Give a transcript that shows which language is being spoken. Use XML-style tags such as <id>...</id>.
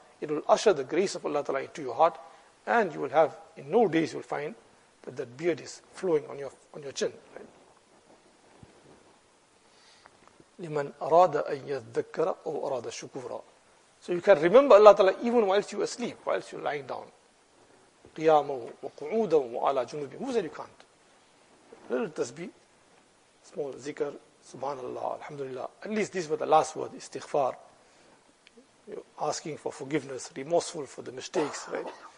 <en>It will usher the grace of Allah Ta'ala into your heart, and you will have, in no days you will find that beard is flowing on your chin, right?</en> <ar>لِمَنْ أَرَادَ أَنْ يَذَّكَّرَ أَوْ أَرَادَ شُكُورًا.</ar> <en>So you can remember Allah Ta'ala even whilst you are asleep, whilst you're lying down.</en> <ar>قِيَامًا وَقُعُودًا وَعَلَى جُنُوبٍ.</ar> <en>Who said you can't? Little tasbih, small zikr, subhanallah, alhamdulillah. At least these were the last words, istighfar. You're asking for forgiveness, remorseful for the mistakes, right?</en>